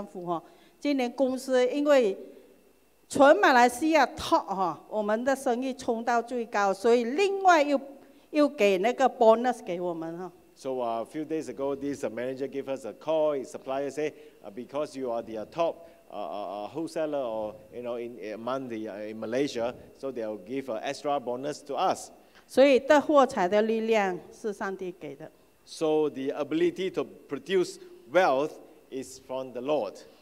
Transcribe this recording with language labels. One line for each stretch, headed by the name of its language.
Chinese: 所以今年呢，他前几天哈，前一阵子哈，已经打电话给我丈夫哈，今年公司因为 全马来西亚top哈，我们的生意冲到最高，所以另外又给那个 bonus 给我们哈。So
English: a few days ago, this manager gave us a call. His supplier said, "Because you are the top wholesaler, or you know, in Malaysia, so they'll give an extra bonus to us."
Chinese: 所以的货财的力量是上帝给的。So
English: the ability to produce wealth is from the Lord.